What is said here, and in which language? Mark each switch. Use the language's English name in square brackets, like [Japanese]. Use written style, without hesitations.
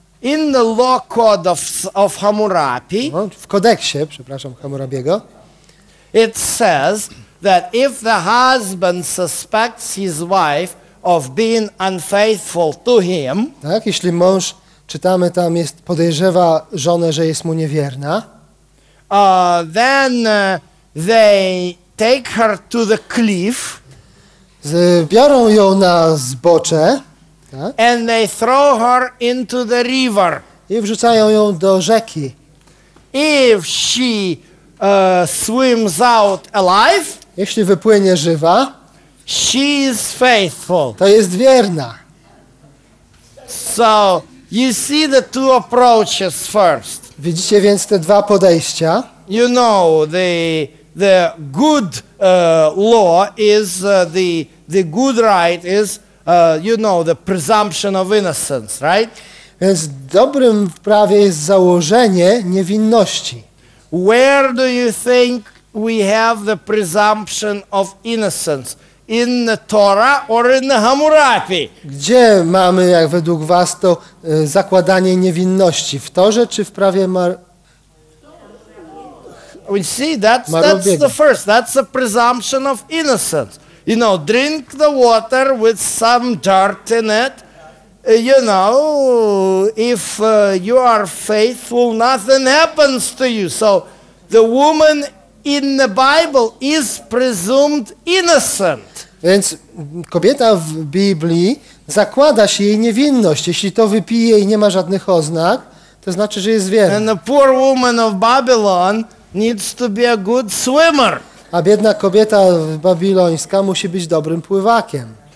[English] in the law code of Hammurabi, [Polish] w kodeksie, przepraszam, Hammurabiego, [English] it says that if the husband suspects his wife of being unfaithful to him, [Polish] tak, jeśli mąż, czytamy tam, jest podejrzewa żonę, że jest mu niewierna, [English] then they take her to the cliff, [Polish] biorą ją na zbocze. Tak? [English] And they throw her into the river. [Polish] I wrzucają ją do rzeki. [English] If she swims out alive, [Polish] jeśli wypłynie żywa, [English] she is faithful. [Polish] To jest wierna. [English] So you see the two approaches first. [Polish] Widzicie więc te dwa podejścia. [English] You know the good law is the good right is. You know, the presumption of innocence, right? [Polish] Więc dobrym w prawie jest założenie niewinności. [English] Where do you think we have the presumption of innocence? In the Torah or in the Hammurabi? [Polish] Gdzie mamy, jak według was, to zakładanie niewinności? W Torze czy w prawie [English] We see, that's the first, that's the presumption of innocence. You know, drink the water with some dirt in it. You know, if you are faithful, nothing happens to you. So the woman in the Bible is presumed innocent. [Polish] Więc kobieta w Biblii zakłada się jej niewinność. Jeśli to wypije i nie ma żadnych oznak, to znaczy, że jest wierna. [English] And the poor woman of Babylon needs to be a good swimmer. [Polish] A biedna kobieta babilońska musi być dobrym pływakiem.